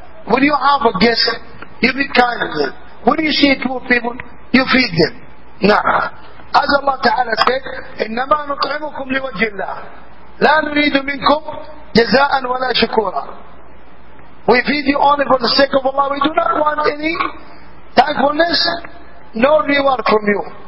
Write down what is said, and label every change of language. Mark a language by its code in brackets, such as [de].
[en] when you have a guest, you be kind to them. When you see two people, you feed them. Nah. [ar] As Allah Ta'ala said, إِنَّمَا نُطْعِمُكُمْ لِوَجِّ اللَّهِ لَا نُرِيدُ مِنْكُمْ جَزَاءً وَلَا شُكُورًا. [en] We feed you only for the sake of Allah. We do not want any thankfulness nor reward from you.